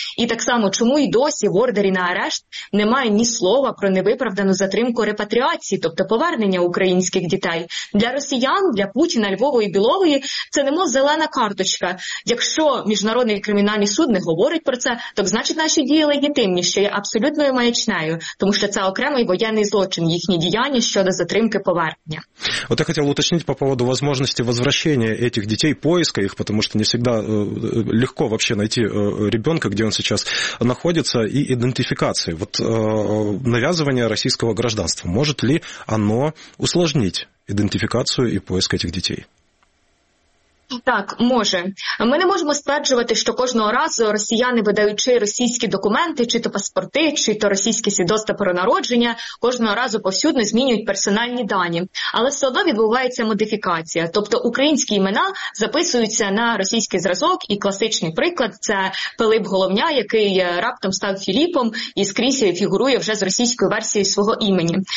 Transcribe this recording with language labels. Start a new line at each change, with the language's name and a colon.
Ukrainian: І так само, чому і досі в ордері на арешт немає ні слова про невиправдану затримку репатріації, тобто повернення українських дітей. Для росіян, для Путіна, Львової, Білової це немов зелена карточка. Якщо Міжнародний кримінальний суд не говорить про це, то значить наші дії легітимні, що є абсолютною маячнею, тому що це окремий воєнний злочин, їхні діяння щодо затримки повернення. От я хотів уточнити
Russian: по поводу возможності возвращения этих детей, поиска их, потому что не всегда легко вообще найти ребенка, где он сейчас находится, и идентификации. Вот навязывание российского гражданства, может ли оно усложнить идентификацию и поиск этих детей?
Ukrainian: Так, може. Ми не можемо стверджувати, що кожного разу росіяни, видаючи російські документи, чи то паспорти, чи то російські свідоцтва про народження, кожного разу повсюдно змінюють персональні дані. Але все одно відбувається модифікація. Тобто українські імена записуються на російський зразок, і класичний приклад – це Пилип Головня, який раптом став Філіпом і скрізь фігурує вже з російською версією свого імені.